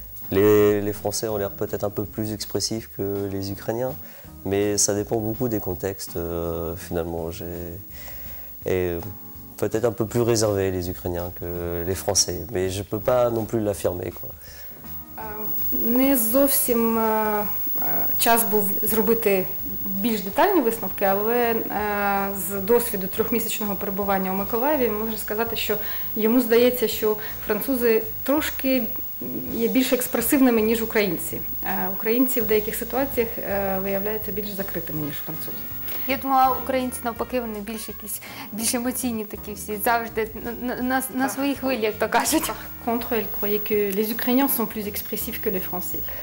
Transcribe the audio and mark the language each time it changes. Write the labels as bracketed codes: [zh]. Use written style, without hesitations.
[fr] Les Français ont l'air peut-être un peu plus expressifs que les Ukrainiens, mais ça dépend beaucoup des contextes, finalement. Et peut-être un peu plus réservés, les Ukrainiens, que les Français, mais je ne peux pas non plus l'affirmer, quoi. [uk] Не зовсім час був зробити більш детальні висновки, але з досвіду трьохмісячного перебування у Миколаєві можу сказати, що йому здається, що французи трошки є більш експресивними, ніж українці. Українці в деяких ситуаціях виявляються більш закритими, ніж французи. Я думала, українці навпаки, вони більш якісь, більш емоційні такі всі, завжди на своїй хвилі, як то кажуть. [fr] Par contre, elle croyait que les Ukrainiens sont plus expressifs que les Français.